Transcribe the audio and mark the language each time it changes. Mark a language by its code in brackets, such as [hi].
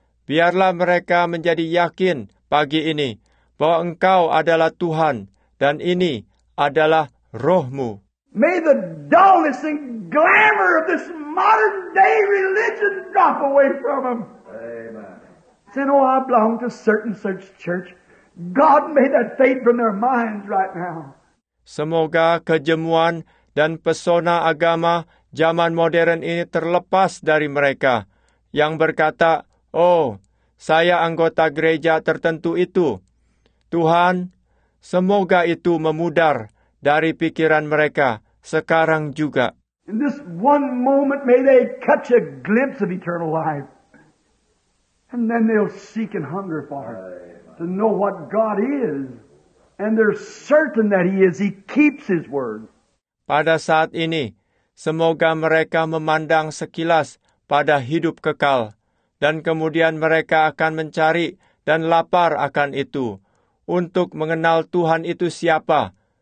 [id] Biarlah mereka menjadi yakin pagi ini bahwa Engkau adalah Tuhan dan ini adalah Roh-Mu. [en] May the dullness and glamour of this modern day religion drop away from them. Amen. Say, oh, I belong to certain such church. God, may that fade from their minds right now. [id] Semoga kejemuan dan pesona agama zaman modern ini terlepas dari mereka yang berkata, oh, saya anggota gereja tertentu itu. Tuhan, semoga itu memudar dari pikiran mereka sekarang juga. [en] In this one moment, may they catch a glimpse of eternal life. And then they'll seek and hunger for it, to know what God is. And they're certain that He is. He keeps His word. [id] Pada saat ini, semoga mereka memandang sekilas pada hidup kekal. Dan kemudian mereka akan mencari dan lapar akan itu, untuk mengenal Tuhan itu siapa.